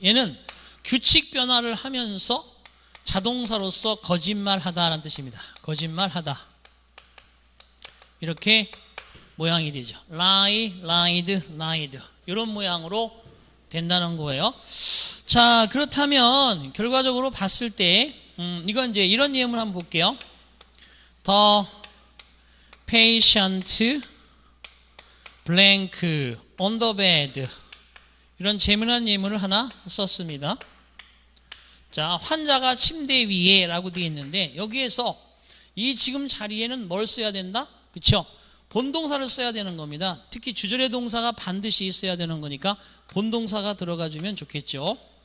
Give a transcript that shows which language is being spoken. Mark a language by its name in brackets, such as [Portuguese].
[Korean] 얘는 규칙 변화를 하면서 자동사로서 거짓말하다라는 뜻입니다. 거짓말하다. 이렇게 모양이 되죠. 라이, 라이드, 라이드. 이런 모양으로 된다는 거예요. 자, 그렇다면 결과적으로 봤을 때 이건 이제 이런 예문을 한번 볼게요. [English] The patient blank on the bed. [Korean] 이런 재미난 예문을 하나 썼습니다. 자, 환자가 침대 위에 라고 되어 있는데 여기에서 이 지금 자리에는 뭘 써야 된다? 그쵸? 본동사를 써야 되는 겁니다. 특히 주절의 동사가 반드시 있어야 되는 거니까 본동사가 들어가 주면 좋겠죠.